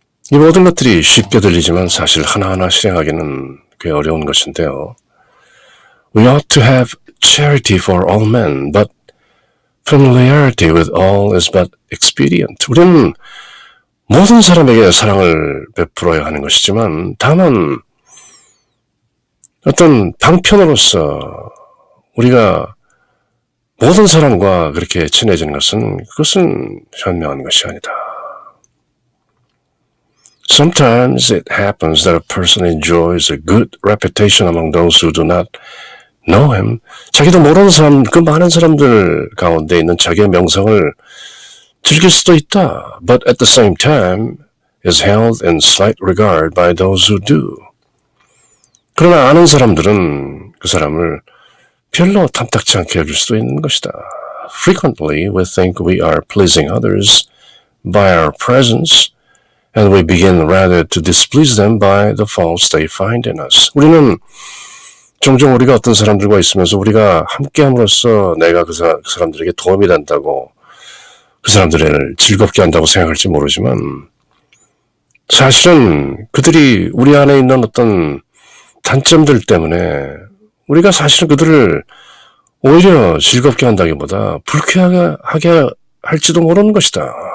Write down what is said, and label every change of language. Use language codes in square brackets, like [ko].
[ko] 이 모든 것들이 쉽게 들리지만 사실 하나하나 실행하기는 꽤 어려운 것인데요. [en] We ought to have charity for all men, but familiarity with all is but expedient. [ko] 우리는 모든 사람에게 사랑을 베풀어야 하는 것이지만 다만 어떤 방편으로서 우리가 모든 사람과 그렇게 친해지는 것은 그것은 현명한 것이 아니다. [en] Sometimes it happens that a person enjoys a good reputation among those who do not know him. [ko] 자기도 모르는 사람, 그 많은 사람들 가운데 있는 자기의 명성을 즐길 수도 있다. [en] But at the same time is held in slight regard by those who do. [ko] 그러나 아는 사람들은 그 사람을 별로 탐탁치 않게 해줄 수도 있는 것이다. [en] Frequently, we think we are pleasing others by our presence, and we begin rather to displease them by the faults they find in us. [ko] 우리는 종종 우리가 어떤 사람들과 있으면서 우리가 함께함으로써 내가 그 사람들에게 도움이 된다고 그 사람들을 즐겁게 한다고 생각할지 모르지만 사실은 그들이 우리 안에 있는 어떤 단점들 때문에 우리가 사실은 그들을 오히려 즐겁게 한다기보다 불쾌하게 할지도 모르는 것이다.